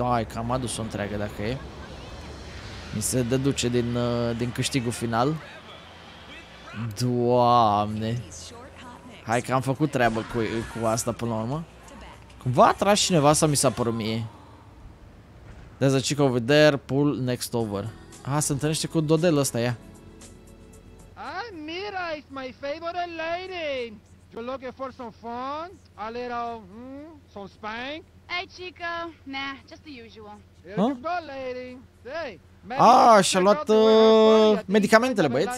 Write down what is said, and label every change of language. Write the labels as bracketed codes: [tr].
[ro] Ai, că am adus-o întreagă dacă e. Mi se deduce din câștigul final. Doamne. Hai că am făcut treabă cu asta până la urmă. Cumva a tras cineva sau mi s-a părut mie? [en] There's a chick over there, pull next over. [ro] Aha, se întâlnește cu Dodel ăsta, ia. [en] Mira, it's my favorite lady. You looking for some fun? A little, some spank? Hey, Chico. Nah, just the usual. Here you go, lady. Hey, [ro] și-a luat medicamentele, băieți.